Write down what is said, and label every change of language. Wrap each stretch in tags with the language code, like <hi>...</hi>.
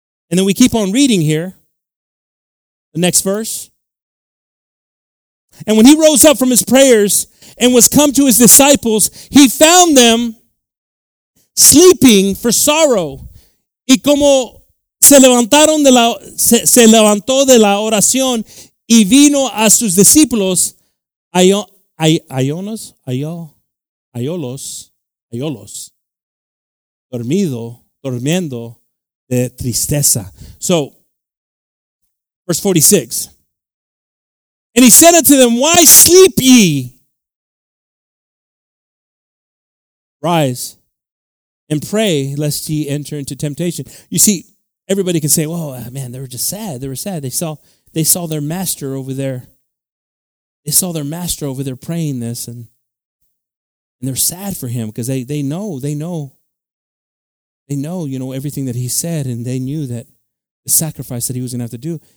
<en>And then we keep on reading here. The next verse. And when he rose up from his prayers and was come to his disciples, he found them sleeping for sorrow.</en> <es>Y como se levantó de la oración y vino a sus discípulos, ayolos, durmiendo de tristeza.</es> <en>So, verse 46. And he said unto them, why sleep ye? Rise and pray, lest ye enter into temptation. You see, everybody can say, well, man, they were just sad. They were sad. They saw their master over there. They saw their master over there praying this, and they're sad for him because they know, you know, everything that he said, and they knew that the sacrifice that he was going to have to do.</en>